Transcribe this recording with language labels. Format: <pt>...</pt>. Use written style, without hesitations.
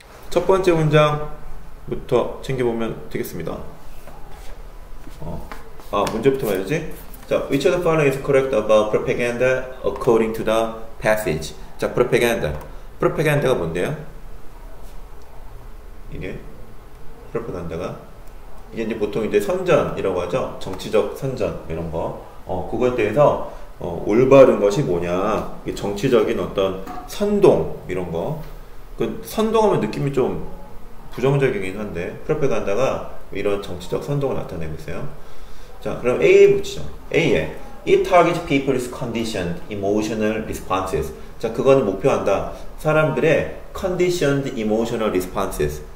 <ko>첫 번째 문장부터 챙겨보면 되겠습니다. 문제부터 봐야지.</ko> <en>자, which of the following is correct about propaganda according to the passage?</en> <ko>자, propaganda. propaganda가 뭔데요? 이게 propaganda가 이게 이제 보통 이제 선전이라고 하죠. 정치적 선전 이런 거. 그것에 대해서 올바른 것이 뭐냐? 정치적인 어떤 선동 이런 거. 그 선동하면 느낌이 좀 부정적이긴 한데 프로파간다가 이런 정치적 선동을 나타내고 있어요. 자, 그럼 A에 붙이죠.</ko> <en>A에 It targets people's conditioned emotional responses.</en> <ko>자, 그거는 목표한다. 사람들의</ko> <en>conditioned emotional responses.</en>